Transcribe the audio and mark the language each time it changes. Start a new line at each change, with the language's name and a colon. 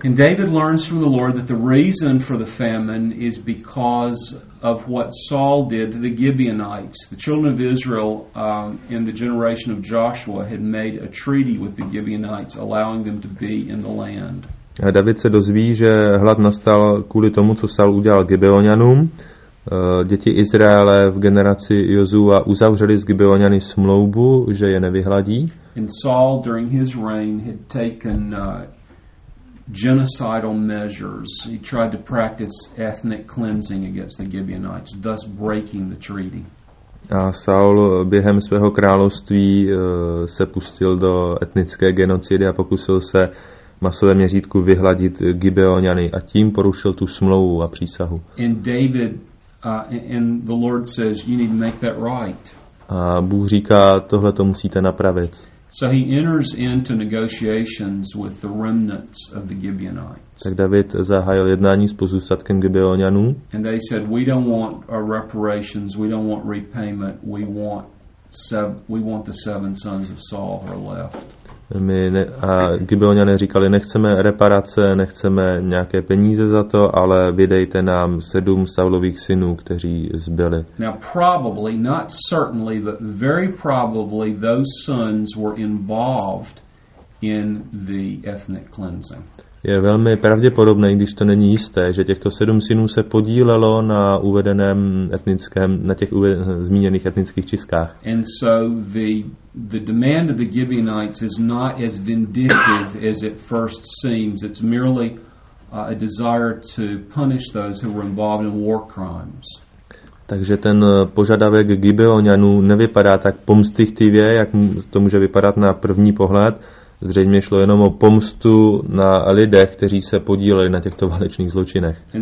English: And David learns from the Lord that the reason for the famine is because of what Saul did to the Gibeonites. The children of Israel in the generation of Joshua had made a treaty with the Gibeonites, allowing them to be in the land.
Czech: A David se dozví, že hlad nastal kvůli tomu, co Saul udělal Gibeonianům. Děti Izraele v generaci Josua uzavřeli s Gibeoniany smlouvu, že je nevyhladí.
English: And Saul, during his reign, had taken genocidal measures. He tried to practice ethnic cleansing against the Gibeonites, thus breaking the treaty.
Czech: A Saul během svého království se pustil do etnické genocidy a pokusil se masové měřítku vyhladit Gibeoniany a tím porušil tu smlouvu a přísahu.
English: And David, and the Lord says, you need to make that right.
Czech: A Bůh říká, tohle to musíte napravit.
English: So he enters into negotiations with the remnants of the Gibeonites.
Czech: Tak David zahájil jednání s pozůstatkem Gibeonianů.
English: And they said, we don't want our reparations, we don't want repayment, we want the seven sons of Saul who are left.
Czech: My ne, a Gibeoniané říkali, nechceme reparace, nechceme nějaké peníze za to, ale vydejte nám sedm Saulových synů, kteří zbyli.
English: Now probably, not certainly, but very probably those sons were involved in the ethnic cleansing.
Czech: Je velmi pravděpodobné, když to není jisté, že těchto sedm synů se podílelo na uvedeném etnickém, na těch zmíněných etnických čistkách.
English: And so the demand of the Gibeonites is not as vindictive as it first seems. It's merely a desire to punish those who were involved in war crimes.
Czech: Takže ten požadavek Gibeonianů nevypadá tak pomstychtivě, jak to může vypadat na první pohled. Zřejmě šlo jenom o pomstu na lidech, kteří se podíleli na těchto válečných zločinech.